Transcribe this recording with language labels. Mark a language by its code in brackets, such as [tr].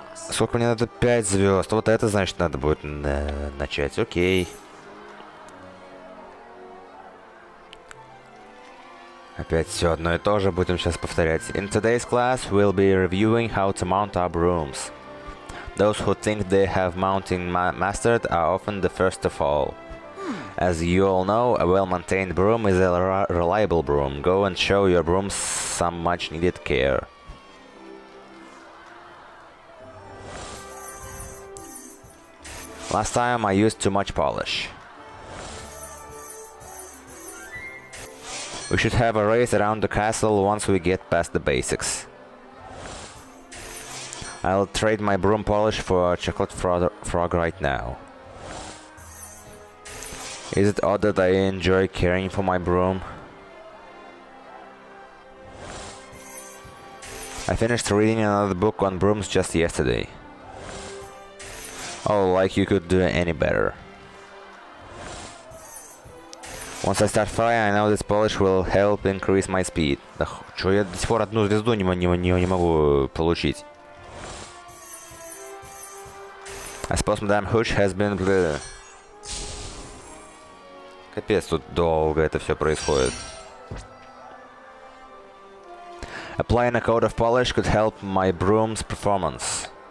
[ru] Сколько мне надо? 5 звезд. Вот это значит надо будет начать. Окей. Опять все одно и то же будем сейчас повторять. [en] In today's class we'll be reviewing how to mount up rooms. Those who think they have mounting mastered are often the first to fall. As you all know, a well-maintained broom is a reliable broom. Go and show your broom some much-needed care. Last time I used too much polish. We should have a race around the castle once we get past the basics. I'll trade my broom polish for a chocolate frog right now. Is it odd that I enjoy caring for my broom? I finished reading another book on brooms just yesterday. Oh, like you could do any better. Once I start flying, I know this polish will help increase my speed. [ru] Да чё, я до сих пор одну звезду не могу получить. [en] I suppose Madame Hooch has been... [ru] Капец, тут долго это все происходит. [en] Applying a coat of polish could help my broom's performance.